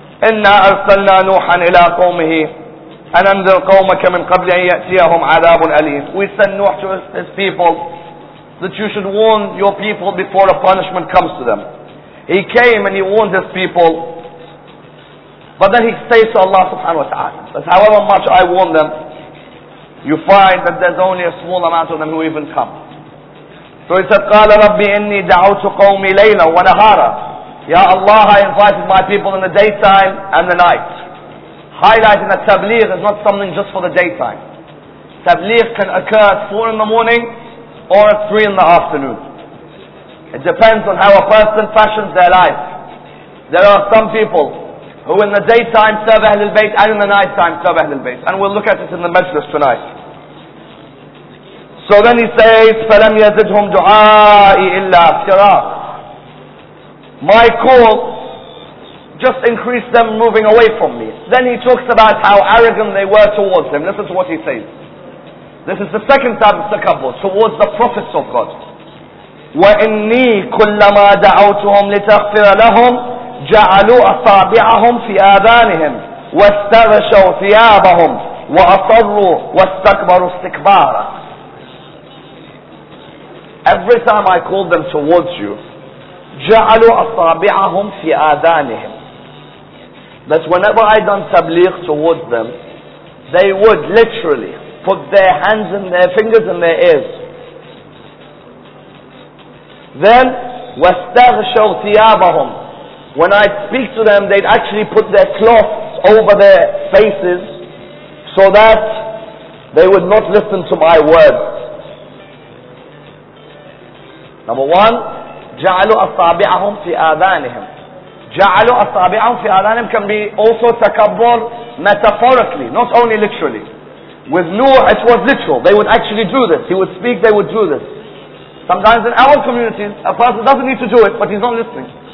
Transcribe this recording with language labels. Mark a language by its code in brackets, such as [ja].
[ar] إِنَّا أَرْسَلْنَا نُوحًا إِلَىٰ قَوْمِهِ أَنْ أَنْذِرْ قَوْمَكَ مِنْ قَبْلِ أَنْ يَأْتِيَهُمْ عَذَابٌ أَلِيمٌ [en] We send Nuh to his people that you should warn your people before a punishment comes to them. He came and he warned his people. But then he says to Allah subhanahu wa ta'ala, that however much I warn them, you find that there's only a small amount of them who even come. So he said, [ar] قَالَ رَبِّ إِنِّي دَعَوْتُ قَوْمِي لَيْلًا وَنَهَارًا. [en] Ya Allah, I invited my people in the daytime and the night. Highlighting that tabligh is not something just for the daytime. Tabligh can occur at 4 in the morning or at 3 in the afternoon. It depends on how a person fashions their life. There are some people who in the daytime serve Ahlul Bayt and in the nighttime serve Ahlul Bayt. And we'll look at it in the majlis tonight. So then he says, [ar] فَلَمْ يَزِدْهُمْ دُعَاءِ إِلَّا افْتِرَاءً. [en] My call just increased them moving away from me. Then he talks about how arrogant they were towards him. Listen to what he says. This is the second time of takabbur towards the prophets of God. [ar] وَإِنِّي كُلَّمَا دَعَوْتُهُمْ لِتَغْفِرَ لَهُمْ جَعَلُوا أَصَابِعَهُمْ فِي آذَانِهِمْ وَاسْتَرَشَوْا ثِيَابَهُمْ وَأَصَرُّوا وَاسْتَكْبَرُوا اسْتِكْبَارًا. [en] Every time I call them towards you, [ar] جَعَلُوا أَصَابِعَهُمْ فِي آذَانِهِمْ, [en] that whenever I done tabligh towards them, they would literally put their hands and their fingers in their ears. Then, [ar] وَاسْتَغْشَوْا ثِيَابَهُمْ, [en] when I'd speak to them, they'd actually put their cloths over their faces so that they would not listen to my words. Number one, [ar] جَعَلُوا أَصَابِعَهُمْ فِي آذَانِهِمْ. جَعَلُوا أَصَابِعَهُمْ فِي آذَانِهِمْ [en] can be also takabbur metaphorically, not only literally. With Nuh, it was literal. They would actually do this. He would speak, they would do this. Sometimes in our communities, a person doesn't need to do it, but he's not listening.